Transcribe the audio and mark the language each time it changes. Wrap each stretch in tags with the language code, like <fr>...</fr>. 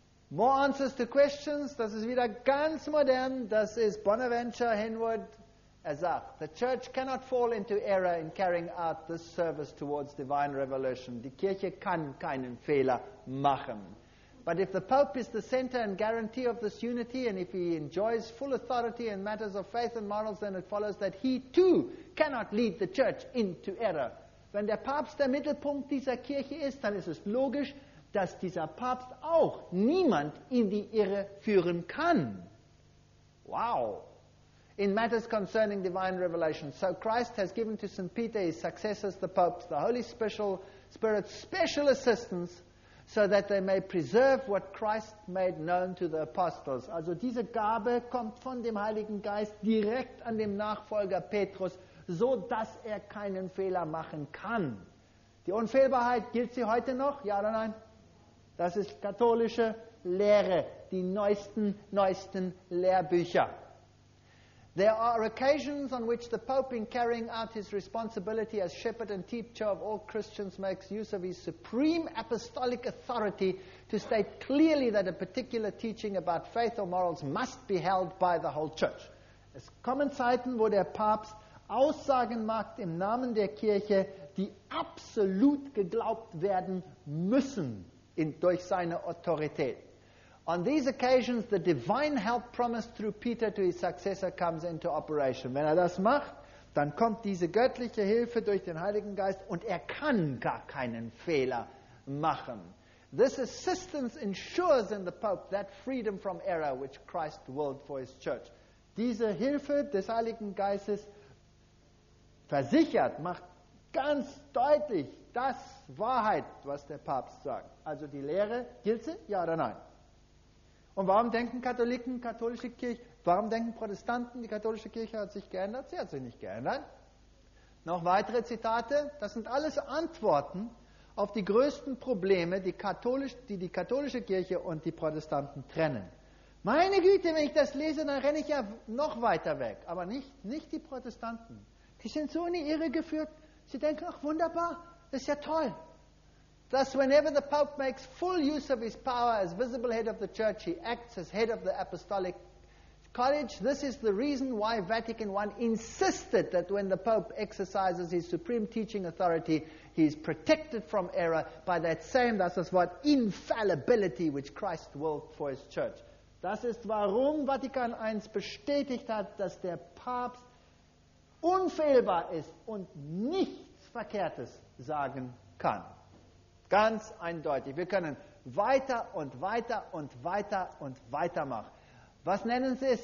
<en>More answers to questions,</en> <de>das ist wieder ganz modern, das ist Bonaventure Henwood, er sagt,</de> <en>the church cannot fall into error in carrying out this service towards divine revelation.</en> <de>Die Kirche kann keinen Fehler machen.</de> <en>But if the Pope is the center and guarantee of this unity, and if he enjoys full authority in matters of faith and morals, then it follows that he too cannot lead the church into error.</en> <de>Wenn der Papst der Mittelpunkt dieser Kirche ist, dann ist es logisch, dass dieser Papst auch niemand in die Irre führen kann. Wow!</de> <en>In matters concerning divine revelation, so Christ has given to St. Peter his successors, the popes, the Holy Spirit, special assistance, so that they may preserve what Christ made known to the apostles.</en> <de>Also diese Gabe kommt von dem Heiligen Geist direkt an dem Nachfolger Petrus, so dass er keinen Fehler machen kann. Die Unfehlbarkeit, gilt sie heute noch? Ja oder nein? Das ist katholische Lehre, die neuesten Lehrbücher.</de> <en>There are occasions on which the Pope, in carrying out his responsibility as shepherd and teacher of all Christians, makes use of his supreme apostolic authority to state clearly that a particular teaching about faith or morals must be held by the whole church.</en> <de>Es kommen Zeiten, wo der Papst Aussagen macht im Namen der Kirche, die absolut geglaubt werden müssen. Durch seine Autorität.</de> <en>On these occasions, the divine help promised through Peter to his successor comes into operation.</en> <de>Wenn er das macht, dann kommt diese göttliche Hilfe durch den Heiligen Geist und er kann gar keinen Fehler machen.</de> <en>This assistance ensures in the Pope that freedom from error which Christ willed for his church.</en> <de>Diese Hilfe des Heiligen Geistes versichert, macht ganz deutlich, das Wahrheit, was der Papst sagt. Also die Lehre, gilt sie? Ja oder nein? Und warum denken Katholiken, katholische Kirche, warum denken Protestanten, die katholische Kirche hat sich geändert? Sie hat sich nicht geändert. Noch weitere Zitate. Das sind alles Antworten auf die größten Probleme, die katholische Kirche und die Protestanten trennen. Meine Güte, wenn ich das lese, dann renne ich ja noch weiter weg. Aber nicht die Protestanten. Die sind so in die Irre geführt. Sie denken, ach wunderbar, das ist ja toll.</de> <en>Thus, whenever the Pope makes full use of his power as visible head of the church, he acts as head of the apostolic college. This is the reason why Vatican I insisted that when the Pope exercises his supreme teaching authority, he is protected from error by that same,</en> <de>das ist Wort,</de> <en>infallibility which Christ willed for his church.</en> <de>Das ist, warum Vatikan I bestätigt hat, dass der Papst unfehlbar ist und nichts Verkehrtes sagen kann. Ganz eindeutig. Wir können weiter und weiter und weiter und weiter machen. Was nennen Sie es?</de>